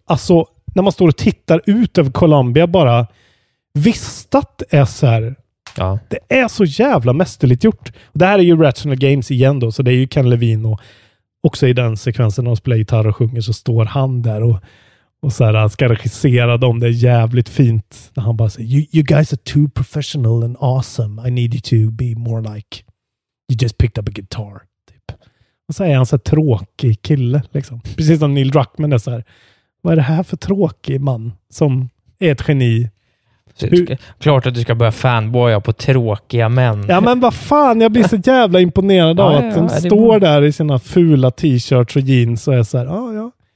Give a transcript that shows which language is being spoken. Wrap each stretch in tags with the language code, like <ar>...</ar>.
<sv>Alltså när man står och tittar ut över Colombia bara vistat är så här. Ja. Det är så jävla mästerligt gjort. Och det här är ju Rational Games igen då, så det är ju Ken Levine och också i den sekvensen när de spelar gitarr och sjunger så står han där och så här, han ska regissera dem. Det är jävligt fint. När han bara säger, you guys are too professional and awesome.</sv> <en>I need you to be more like, you just picked up a guitar.</en> <sv>Typ. Och så är han så här tråkig kille. Liksom. Precis som Neil Druckmann är så här. Vad är det här för tråkig man som är ett geni? Klart att du ska börja fanboya på tråkiga män. Ja, men vad fan. Jag blir så jävla imponerad av att de står där i sina fula t-shirts och jeans och är så här, ja.</sv>